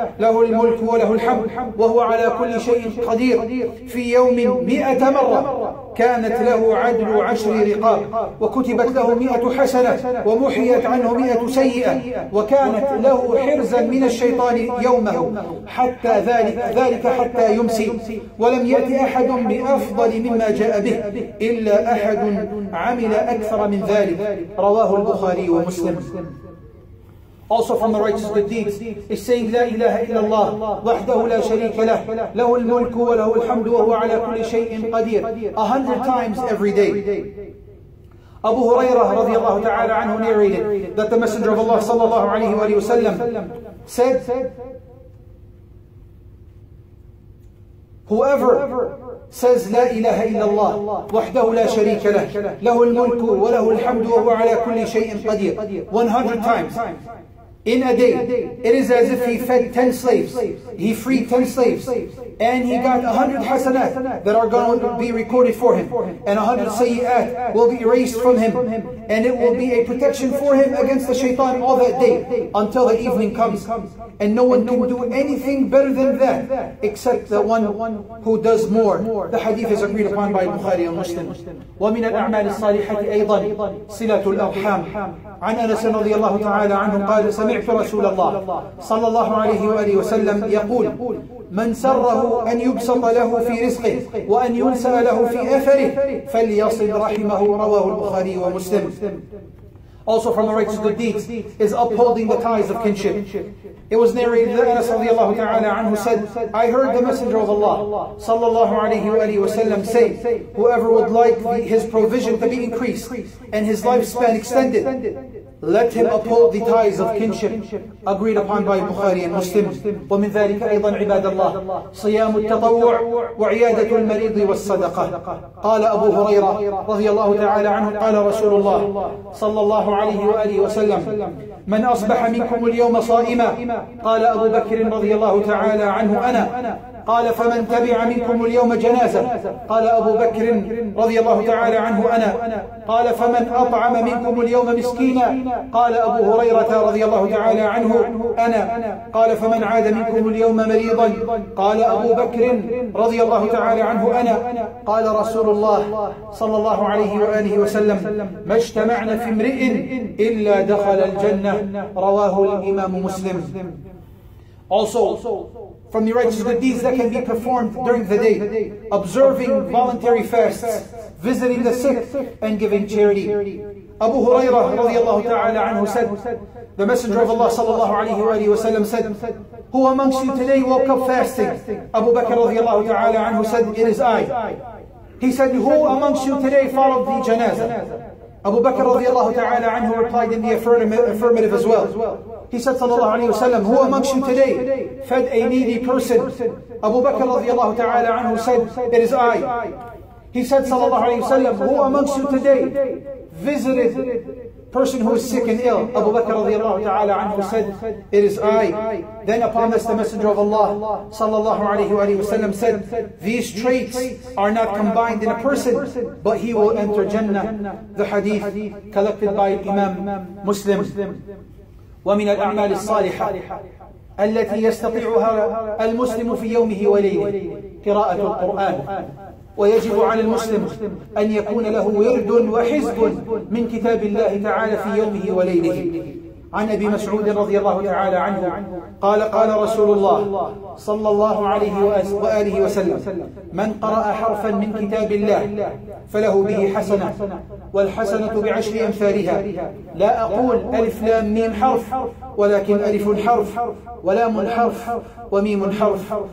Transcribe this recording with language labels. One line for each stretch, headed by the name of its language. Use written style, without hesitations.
Arabic: له الملك وله الحمد وهو على كل شيء قدير في يوم 100 مرة كانت له عدل 10 رقاب وكتبت له 100 حسنة ومحيت عنه 100 سيئة وكانت له حرزا من الشيطان يومه حتى ذلك حتى يمسي ولم يأتي أحد بأفضل مما جاء به إلا أحد عمل أكثر من ذلك رواه البخاري ومسلم.
English: Also from the righteous good deeds is saying
Arabic: لا إله إلا الله وحده لا شريك له له الملك وله الحمد وهو على كل شيء قدير
English: 100 times every day. Abu Hurairah radiallahu ta'ala anhu narrated that the Messenger of Allah sallallahu alayhi wa sallam said, whoever says
Arabic: لا إله إلا الله وحده لا شريك له له الملك وله الحمد وهو على كل شيء قدير
English: 100 times in a day, it is as if he fed 10 slaves, he freed 10 slaves, and he got 100 hasanat that are going to be recorded for him, and 100 sayyat will be erased from him, and it will be a protection for him against the shaitan all that day until the evening comes. And no one can do anything better than that except the one who does more. The hadith is agreed upon by Bukhari and Muslim.
Arabic: وَمِنَ الْأَعْمَالِ الصَّالِحَةِ أَيْضًا صِلَةُ الْأَرْحَامِ عَنْ أَنَسَ رَضِيَ اللَّهُ تَعَالَى عَنْهُ قَالَ سَمِعْتُ رَسُولَ اللَّهِ صَلَّى اللَّهُ عَلَيْهِ وَآلِهِ وَسَلَّمَ يَقُولُ من سره أن يبسط له في رزقه وأن ينسأ له في أثره فليصل رحمه رواه البخاري ومسلم.
English: Also from the righteous good deeds is upholding the ties of kinship. It was narrated that Anas
Arabic: رضي الله تعالى عنه
English: said, I heard the Messenger of Allah
Arabic: صلى الله عليه وآله وسلم
English: say, whoever would like his provision to be increased and his lifespan extended, let him uphold the ties of kinship agreed upon by Bukhari and Muslim.
Arabic: ومن ذلك أيضا عباد الله صيام التطوع وعيادة المريض والصدقة. قال أبو هريرة رضي الله تعالى عنه قال رسول الله صلى الله عليه وآله وسلم من أصبح منكم اليوم صائما. قال أبو بكر رضي الله تعالى عنه أنا. قال فمن تبع منكم اليوم جنازة. قال أبو بكر رضي الله تعالى عنه أنا. قال فمن أطعم منكم اليوم مسكينا. قال أبو هريرة رضي الله تعالى عنه أنا. قال فمن عاد منكم اليوم مريضا. قال أبو بكر رضي الله تعالى عنه أنا. قال رسول الله صلى الله عليه وآله وسلم ما اجتمعنا في امرئ إلا دخل الجنة رواه الإمام مسلم.
English: Also, from the righteous good deeds that can be performed during the day, observing voluntary fasts, visiting the sick, and giving charity. Abu Hurairah radiallahu ta'ala anhu said, the Messenger of Allah sallallahu alayhi wa sallam said, who amongst you today woke up fasting? Abu Bakr radiallahu ta'ala anhu said, it is I. He said, who amongst you today followed the janazah? Abu Bakr radiallahu ta'ala anhu replied in the affirmative as well. He said, sallallahu alayhi wa sallam, who amongst you today fed a needy person? Abu Bakr radiallahu ta'ala anhu said, it is I. He said, sallallahu alayhi wa sallam, who amongst you today visited person who is sick and ill? Abu Bakr radiallahu ta'ala anhu said, it is I. Then upon this, the Messenger of Allah sallallahu alayhi wa sallam said, these traits are not combined in a person, but he will enter Jannah. The hadith collected by Imam Muslim.
Arabic: ومن الأعمال الصالحة التي يستطيعها المسلم في يومه وليله قراءة القرآن، ويجب على المسلم أن يكون له ورد وحزب من كتاب الله تعالى في يومه وليله. عن أبي مسعود رضي الله تعالى عنه قال: قال رسول الله صلى الله عليه وآله وسلم: من قرأ حرفا من كتاب الله فله به حسنة، والحسنة بعشر أمثالها، لا أقول ألف لام ميم حرف، ولكن ألف حرف ولام حرف وميم حرف.